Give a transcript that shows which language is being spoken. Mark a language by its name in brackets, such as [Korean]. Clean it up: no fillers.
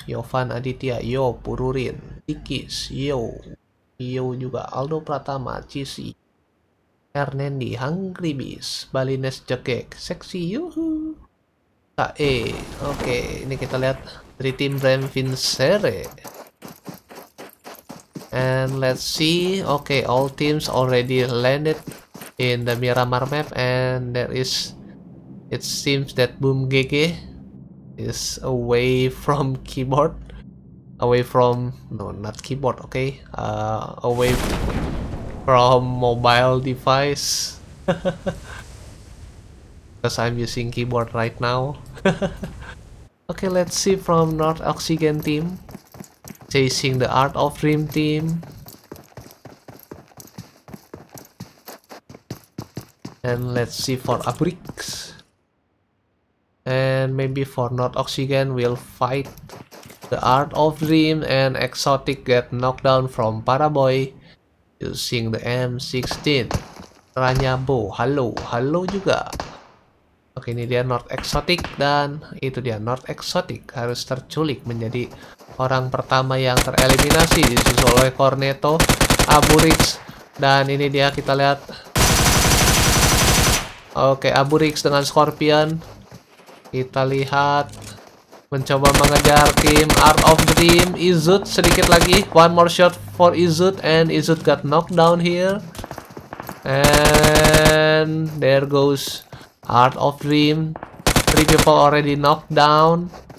[Indonesian] Yovan Aditya, yo Pururin, Tikis, yo. Yo juga Aldo Pratama, Cici, Hernandi, Hungry Bees, Balines Jekek, Sexy, yuhu. Ae, oke, ini kita lihat dari tim Brem Vincere. [English] And let's see, oke, all teams already landed in the Miramar map and there is it seems that Boom GG is away from keyboard, away from no not keyboard, okay, away from mobile device. Because I'm using keyboard right now. Okay, let's see from North Oxygen team, Chasing the Art of Dream team. And let's see for Abrix. And maybe for North Oxygen will fight the Art of Dream and Exotic get knockdown from Paraboy using the M16. [Indonesian] Ranyabo, halo, halo juga. Oke, ini dia North Exotic dan itu dia North Exotic harus terculik menjadi orang pertama yang tereliminasi disusul oleh Cornetto, Aburix, dan ini dia kita lihat. Oke, Aburix dengan Scorpion. Kita lihat mencoba mengejar tim Art of Dream, Izut sedikit lagi, [English] one more shot for Izut and Izut got knocked down here and there goes Art of Dream, three people already knocked down.